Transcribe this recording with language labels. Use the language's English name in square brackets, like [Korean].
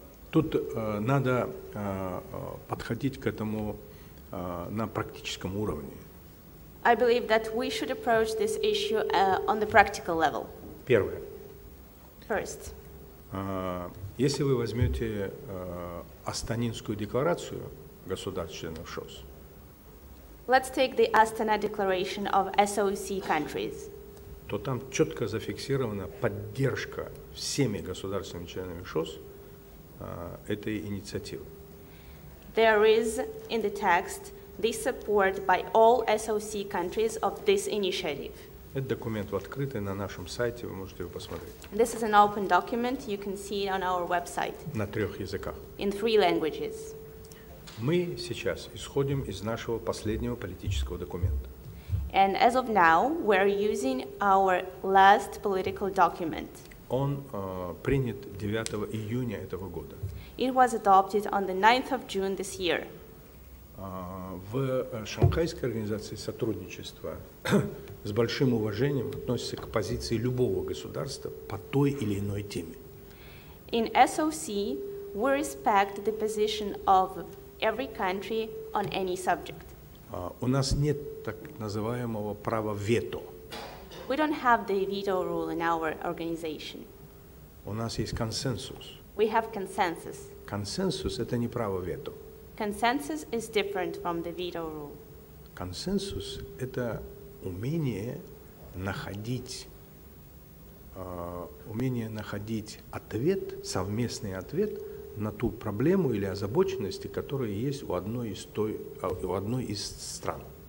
[Russian] Тут надо подходить к этому на практическом уровне. [English] I believe that we should approach this issue on the practical level. [Russian] Первое. [English] First. [Russian] Если вы возьмете Астанинскую декларацию государств-членов ШОС. [English] Let's take the Astana Declaration of SOC countries. [Russian] То там четко зафиксирована поддержка всеми государственными членами ШОС этой инициативы. [English] There is in the text the support by all SOC countries of this initiative. [Russian] Этот документ открытый на нашем сайте, вы можете его посмотреть. [English] This is an open document, you can see it on our website. [Russian] На трех языках. [English] In three languages. [Russian] Мы сейчас исходим из нашего последнего политического документа. [English] And as of now, we are using our last political document. [Russian] Он принят 9 июня этого года. [English] It was adopted on the 9th of June this year. [Russian] В в Шанхайской организации сотрудничества с большим уважением относится к позиции любого государства по той или иной теме. [English] In SOC, we respect the position of every country on any subject. [Russian] У нас нет так называемого права вето. [English] We don't have the veto rule in our organization. [Russian] У нас есть консенсус. [English] We have consensus. [Russian] Консенсус – это не право вето. [English] Consensus is different from the veto rule. [Russian] Консенсус – это умение находить, ответ, совместный ответ на ту проблему или озабоченности, которая есть у одной из сторон.